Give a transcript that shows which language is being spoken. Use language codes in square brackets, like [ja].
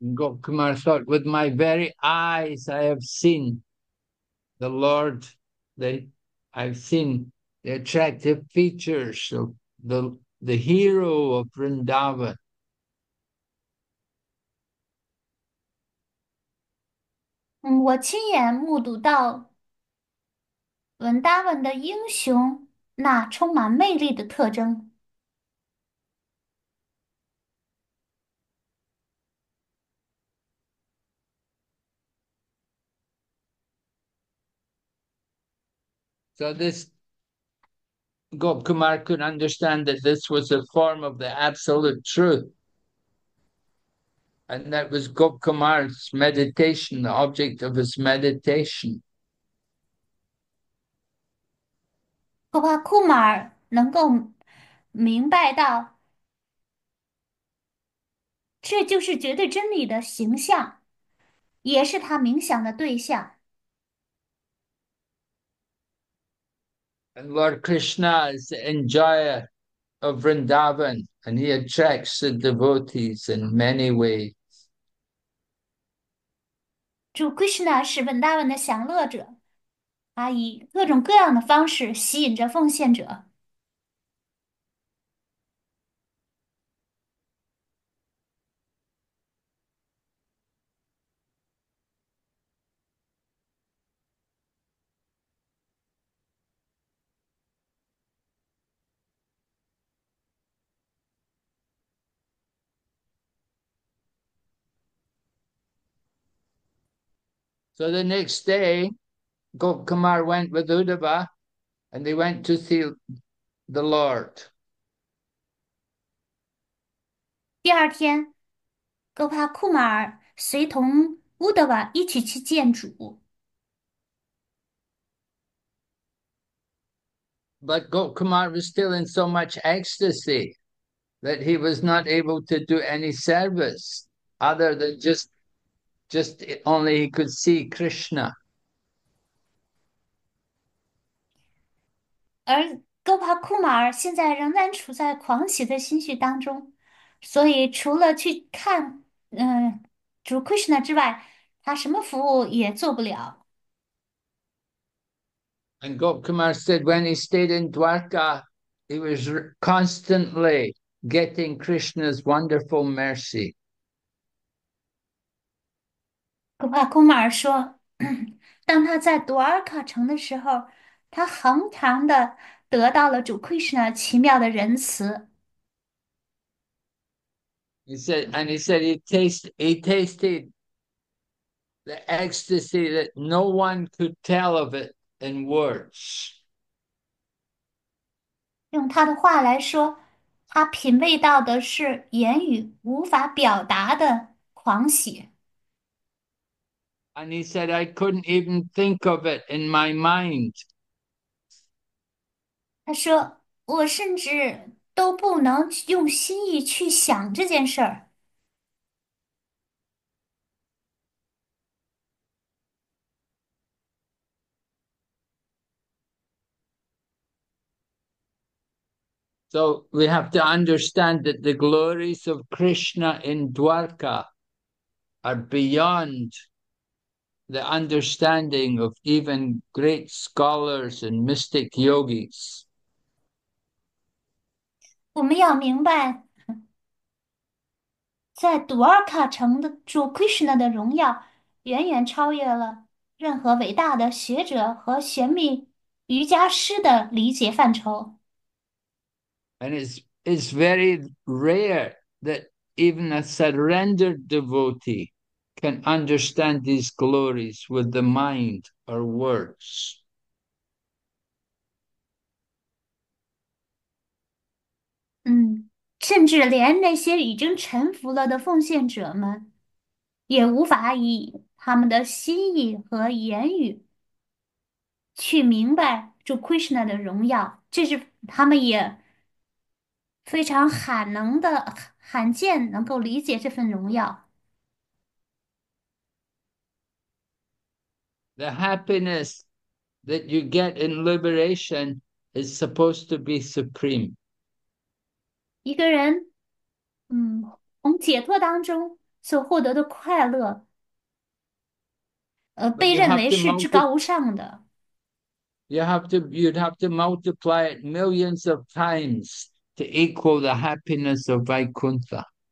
[en] Gop Kumar thought, with my very eyes I have seen the Lord, I've seen the attractive features of the hero of Vrindavan. [zh] 我亲眼目睹到文达文的英雄那充满魅力的特征。 [en] So this Gop Kumar could understand that this was a form of the absolute truth, and that was Gop Kumar's meditation, the object of his meditation. [zh] 戈帕库马尔能够明白到，这就是绝对真理的形象，也是他冥想的对象。 [en] And Lord Krishna is the enjoyer of Vrindavan, and he attracts the devotees in many ways. [zh] 主 Krishna 是 Vrindavan 的享乐者，他以各种各样的方式吸引着奉献者。 [en] So the next day, Gopkumar went with Uddhava and they went to see the Lord. [zh] 第二天，格帕库马尔随同乌德瓦一起去见主。 [en] But Gopkumar was still in so much ecstasy that he was not able to do any service other than just only he could see Krishna. [zh] 而格帕库马尔现在仍然处在狂喜的心绪当中。所以，除了去看，主 Krishna 之外，他什么服务也做不了。 [en] And Gopkumar said when he stayed in Dwarka, he was constantly getting Krishna's wonderful mercy. [zh] Gopakumar 说，当他在多尔卡城的时候，他恒常的得到了主 Krishna 奇妙的仁慈。 [en] He said he tasted the ecstasy that no one could tell of it in words. [zh] 用他的话来说，他品味到的是言语无法表达的狂喜。 [en] And he said, I couldn't even think of it in my mind. [zh] 他说：“我甚至都不能用心意去想这件事儿。” [en] So we have to understand that the glories of Krishna in Dwarka are beyond the understanding of even great scholars and mystic yogis. [zh] 我们要明白，在杜尔卡城的主 Krishna 的荣耀远远超越了任何伟大的学者和玄秘瑜伽师的理解范畴。 [en] And it's very rare that even a surrendered devotee can understand these glories with the mind or words. [zh] 甚至连那些已经臣服了的奉献者们，也无法以他们的心意和言语去明白主 Krishna 的荣耀。这是他们也非常罕见能够理解这份荣耀。 [en] The happiness that you get in liberation is supposed to be supreme. [zh] 一个人，从解脱当中所获得的快乐， [en] But [zh] 被认为是至高无上的。 [en] you'd have to multiply it millions of times to equal the happiness of Vaikuntha.